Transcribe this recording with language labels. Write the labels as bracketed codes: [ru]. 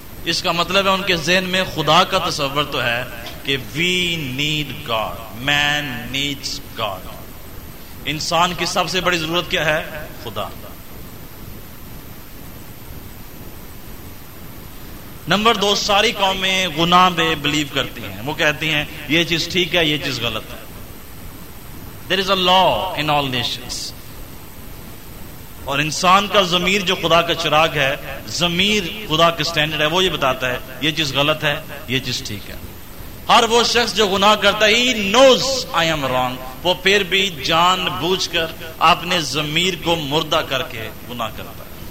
[ur] اس کا مطلب ہے ان کے ذہن میں خدا کا تصور تو ہے کہ [en] we need God, man needs God, [ur] انسان کی سب سے بڑی ضرورت کیا ہے, خدا. نمبر دو, ساری قومیں گناہ میں بلیو کرتی ہیں, وہ کہتی ہیں یہ چیز ٹھیک ہے, یہ چیز غلط ہے. [en] There is a law in all nations. [ur] اور انسان کا ضمیر جو خدا کا چراغ ہے, ضمیر خدا کا سٹینڈرڈ ہے, وہ یہ بتاتا ہے یہ چیز غلط ہے, یہ چیز ٹھیک ہے. ہر وہ شخص جو گناہ کرتا ہے, [en] he knows I am wrong, [ur] وہ پھر بھی جان بوجھ کر اپنے ضمیر کو مردہ کر کے گناہ کرتا ہے.